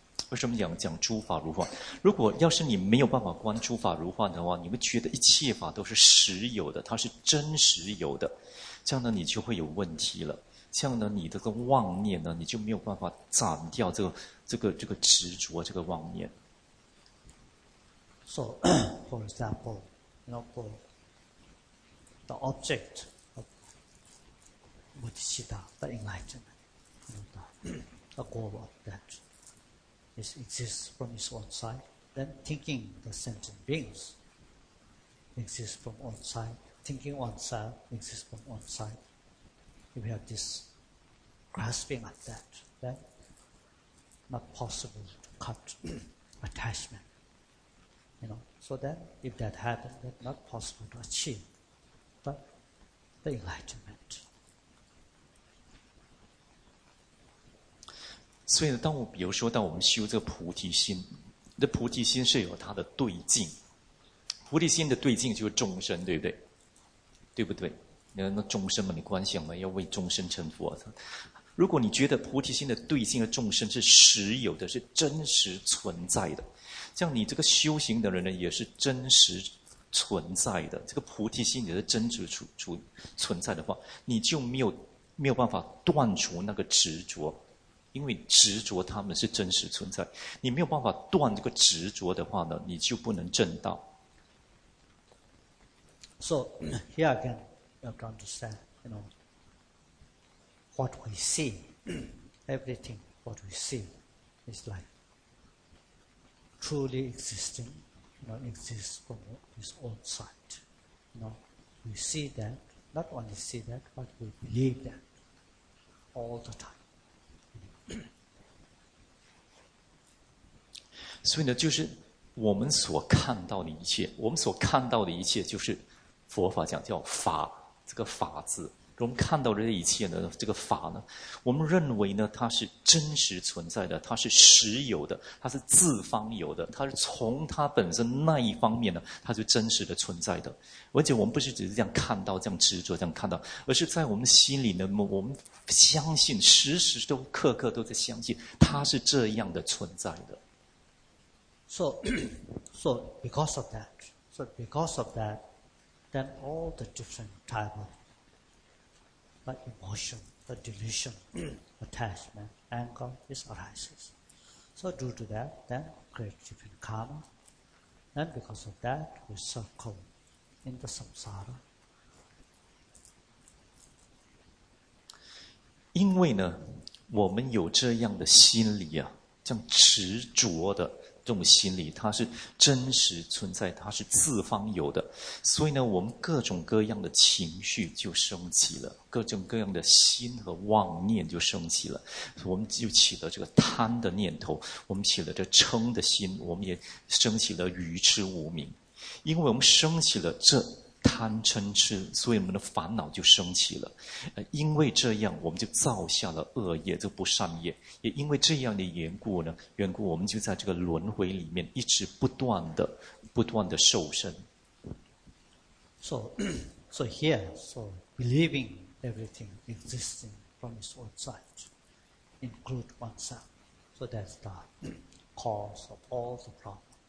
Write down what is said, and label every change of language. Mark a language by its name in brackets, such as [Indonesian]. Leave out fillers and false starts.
[Chinese] 为什么讲诸法如幻？如果要是你没有办法观诸法如幻的话，你们觉得一切法都是实有的，它是真实有的，这样呢你就会有问题了。这样呢你的这个妄念呢，你就没有办法斩掉这个执着这个妄念。 [English] So, for example, you know, for the object of bodhicitta, the enlightenment, you know, the goal of that is exists from its own side. Then thinking the sentient beings exists from one side. Thinking oneself exists from one side. If we have this grasping at that, then not possible to cut attachment. You know, so then, if that happens, that's not possible to achieve, but the enlightenment. [Chinese] 所以呢，当我比如说，当我们修这个菩提心，这菩提心是有它的对境。菩提心的对境就是众生，对不对？对不对？那众生嘛，你观想嘛，要为众生成佛。如果你觉得菩提心的对境和众生是实有的，是真实存在的。像你这个修行的人呢，也是真实存在的。这个菩提心也是真实存在的话，你就没有办法断除那个执着，因为执着他们是真实存在。你没有办法断这个执着的话呢，你就不能证道。 [English] So here again, you have to understand, you know, what we see, everything what we see is like. Truly existing, you know, exists from his own sight. You know, we see that, not only see that, but we believe that all the time. [Chinese] 所以呢，就是我们所看到的一切，我们所看到的一切，就是佛法讲叫法，这个法字。我们看到的这一切呢，这个法呢，我们认为呢，它是真实存在的，它是实有的，它是自方有的，它是从它本身那一方面呢，它就真实的存在的。而且我们不是只是这样看到，这样执着这样看到，而是在我们心里呢，我们相信，时时都刻刻都在相信，它是这样的存在的。 [English] So because of that, so because of that, then all the different type of. The emotion, the delusion, attachment, anger, this arises. So due to that, then create different karma. And because of that, we circle in the samsara. [Chinese] 因为呢，我们有这样的心理啊，这样执着的这种心理，它是真实存在，它是自方有的，所以呢，我们各种各样的情绪就升起了，各种各样的心和妄念就升起了，我们就起了这个贪的念头，我们起了这嗔的心，我们也升起了愚痴无明，因为我们升起了这贪嗔痴，所以我们的烦恼就升起了，因为这样我们就造下了恶业，这不善业，也因为这样的缘故我们就在这个轮回里面一直不断的受身。 [English] So here, so believing everything existing from its own side include oneself, so that's the cause of all the problems.